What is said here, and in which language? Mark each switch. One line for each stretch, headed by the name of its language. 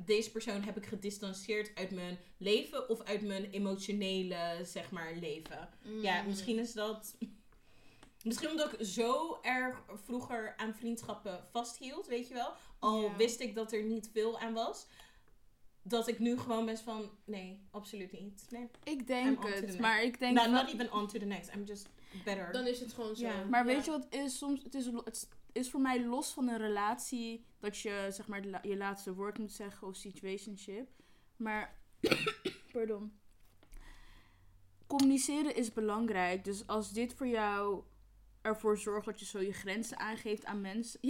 Dutch: Deze persoon heb ik gedistanceerd uit mijn leven of uit mijn emotionele, zeg maar, leven. Mm-hmm. Ja, misschien is dat. Misschien omdat ik zo erg vroeger aan vriendschappen vasthield, weet je wel. Al wist ik dat er niet veel aan was. Dat ik nu gewoon best van, nee, absoluut niet. Nee. Ik denk het, maar ik denk.
English: Not even on to the next, I'm just better.
Dutch: Dan is het gewoon zo. Ja. Maar weet je wat is, soms, het is voor mij los van een relatie, dat je zeg maar je laatste woord moet zeggen, of situationship. Maar, pardon. Communiceren is belangrijk, dus als dit voor jou ervoor zorgt dat je zo je grenzen aangeeft aan mensen.